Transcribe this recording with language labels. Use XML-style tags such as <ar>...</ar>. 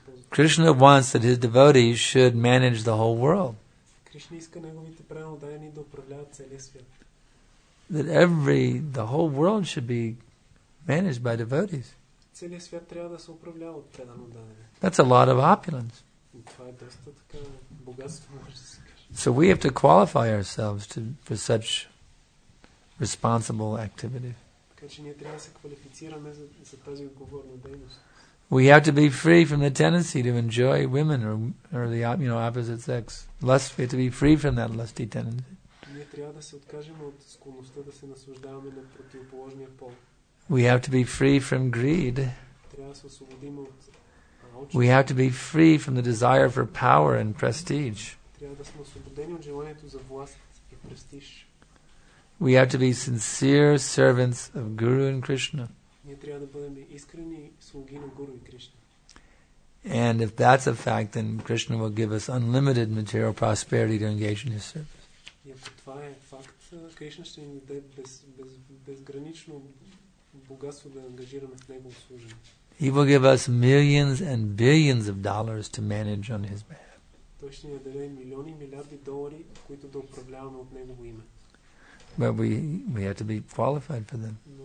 <en>Krishna wants that his devotees should manage the whole world. That the whole world should be managed by devotees.</en> <bg>целият свят трябва да се управлява от предано дадене.</bg> <en>That's a lot of opulence.</en> <bg>Това е доста така богатство, може да се каже.</bg> <en>So we have to qualify ourselves to for such responsible activity.</en> <bg>Така че ние трябва да се квалифицираме за тази отговорна дейност.</bg> <en>We have to be free from the tendency to enjoy women or the you know opposite sex. Lust, we have to be free from that lusty tendency.</en> <bg>Ние трябва да се откажем от склонността да се наслаждаваме на противоположния пол.</bg> <en>We have to be free from greed.</en> <bg>Трябва да се освободим от алчност.</bg> <en>We have to be free from the desire for power and prestige.</en> <bg>Трябва да сме освободени от желанието за власт и престиж.</bg> <en>We have to be sincere servants of Guru and Krishna.</en> <bg>Ние трябва да бъдем искрени слуги на Гуру и Кришна.</bg> <en>And if that's a fact, then Krishna will give us unlimited material prosperity to engage in his service.</en> <bg>И ако това е факт, Кришна ще ни даде безгранично богатство да ангажираме в него служене.</bg> <en>He will give us millions and billions of dollars to manage on his behalf.</en> <bg>Той ще ни даде милиони и милиарди долари, които да управляваме от негово име.</bg> <en>But we have to be qualified for them.</en>